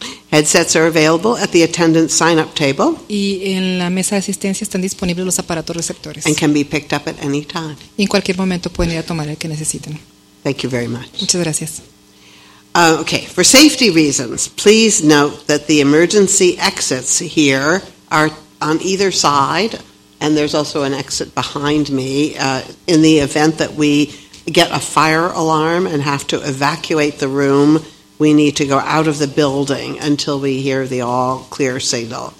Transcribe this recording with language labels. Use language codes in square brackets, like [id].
[en] Headsets are available at the attendance sign-up table. [es] Y en la mesa de asistencia están disponibles los aparatos receptores. [en] And can be picked up at any time. [es] Y en cualquier momento pueden ir a tomar el que necesiten. [en] Thank you very much. [es] Muchas gracias. [en] Okay, for safety reasons, please note that the emergency exits here are on either side, and there's also an exit behind me. In the event that we get a fire alarm and have to evacuate the room, we need to go out of the building until we hear the all clear signal.